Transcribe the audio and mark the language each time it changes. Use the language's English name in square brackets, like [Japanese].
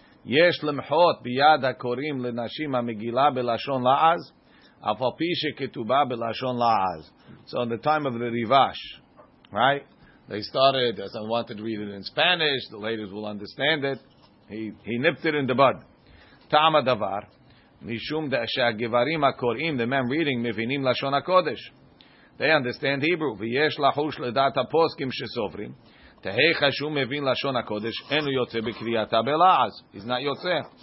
[Hebrew] יש למחות ביד הקוראים לנשים המגילה בלשון לעז, אף על פי שכתובה בלשון לעז. [English] So in the time of the Rivash, right? They started, as I wanted to read it in Spanish, the ladies will understand it. He nipped it in the bud. [Hebrew] טעם הדבר, משום שהגברים הקוראים, [English] the men reading, [Hebrew] מבינים לשון הקודש. [English] They understand Hebrew. [Hebrew] ויש לחוש לדעת הפוסקים שסוברים, תהיך שהוא מבין לשון הקודש, אין הוא יוצא בקריאתה בלעז. [English] He's not [Hebrew] יוצא.